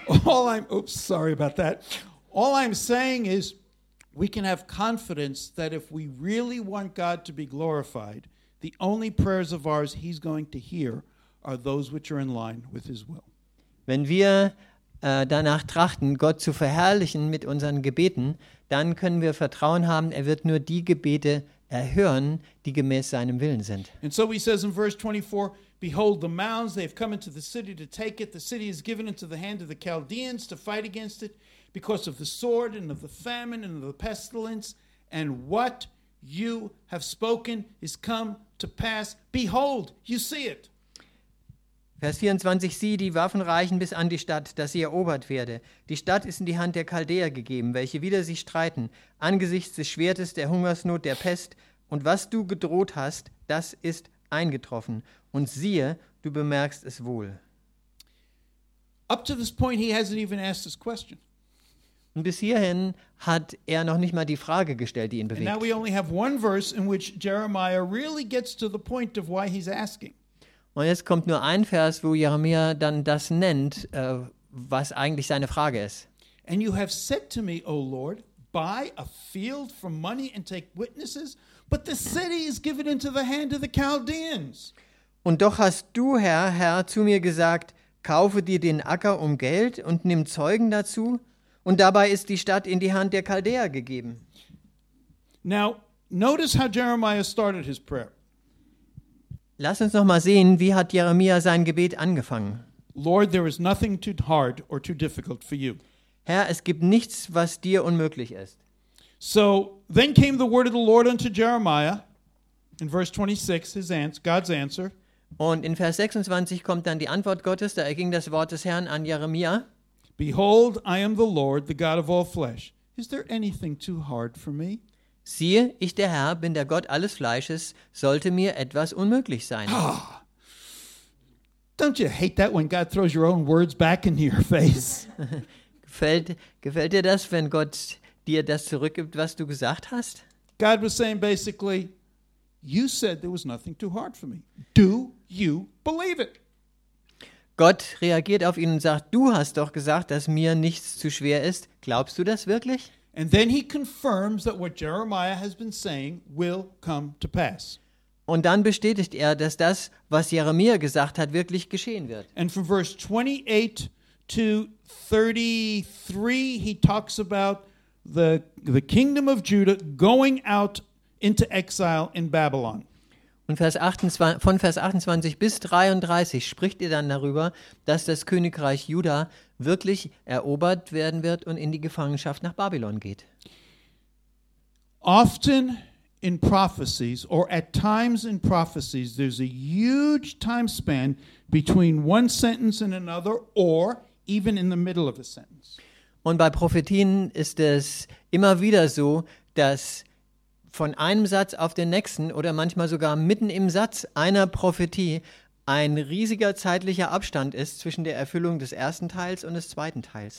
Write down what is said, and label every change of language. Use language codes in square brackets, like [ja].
[en] All I'm saying is, we can have confidence that if we really want God to be glorified, the only prayers of ours he's going to hear are those which are in line with his will. [de] Wenn wir danach trachten, Gott zu verherrlichen mit unseren Gebeten, dann können wir Vertrauen haben, er wird nur die Gebete erhören, die gemäß seinem Willen sind. [en] And so he says in verse 24, behold the mounds, they have come into the city to take it. The city is given into the hand of the Chaldeans to fight against it because of the sword and of the famine and of the pestilence. And what you have spoken is come to pass. Behold, you see it. [de] Vers 24, sieh, die Waffen reichen bis an die Stadt, dass sie erobert werde. Die Stadt ist in die Hand der Chaldäer gegeben, welche wieder sich streiten, angesichts des Schwertes, der Hungersnot, der Pest. Und was du gedroht hast, das ist eingetroffen. Und siehe, du bemerkst es wohl. [en] Up to this point he hasn't even asked this question. [de] Und bis hierhin hat er noch nicht mal die Frage gestellt, die ihn bewegt. [en] And now we only have one verse in which Jeremiah really gets to the point of why he's asking. [de] Und jetzt kommt nur ein Vers, wo Jeremia dann das nennt, was eigentlich seine Frage ist. [en] And you have said to me, O Lord, buy a field for money and take witnesses, but the city is given into the hand of the Chaldeans. [de] Und doch hast du, Herr, zu mir gesagt, kaufe dir den Acker um Geld und nimm Zeugen dazu, und dabei ist die Stadt in die Hand der Chaldäer gegeben. [en] Now, notice how Jeremiah started his prayer. [de] Lass uns noch mal sehen, wie hat Jeremia sein Gebet angefangen. [en] Lord, there is nothing too hard or too difficult for you. [de] Herr, es gibt nichts, was dir unmöglich ist. [en] So then came the word of the Lord unto Jeremiah in verse 26, God's answer. [de] Und in Vers 26 kommt dann die Antwort Gottes, da erging das Wort des Herrn an Jeremia. [en] Behold, I am the Lord, the God of all flesh. Is there anything too hard for me? [de] Siehe, ich, der Herr, bin der Gott alles Fleisches. Sollte mir etwas unmöglich sein? [en] Oh, don't you hate that when God throws your own words back into your face? [de] gefällt dir das, wenn Gott dir das zurückgibt, was du gesagt hast? [en] God was saying basically, you said there was nothing too hard for me. Do you believe it? [de] Gott reagiert auf ihn und sagt, du hast doch gesagt, dass mir nichts zu schwer ist. Glaubst du das wirklich? [en] And then he confirms that what Jeremiah has been saying will come to pass. [de] Und dann bestätigt er, dass das, was Jeremia gesagt hat, wirklich geschehen wird. [en] And from verse 28 to 33, he talks about the kingdom of Judah going out into exile in Babylon. [de] Und von Vers 28 bis 33 spricht er dann darüber, dass das Königreich Juda wirklich erobert werden wird und in die Gefangenschaft nach Babylon geht. [en] Often in prophecies or at times in prophecies there's a huge time span between one sentence and another or even in the middle of a sentence. [de] Und bei Prophetien ist es immer wieder so, dass von einem Satz auf den nächsten oder manchmal sogar mitten im Satz einer Prophetie ein riesiger zeitlicher Abstand ist zwischen der Erfüllung des ersten Teils und des zweiten Teils.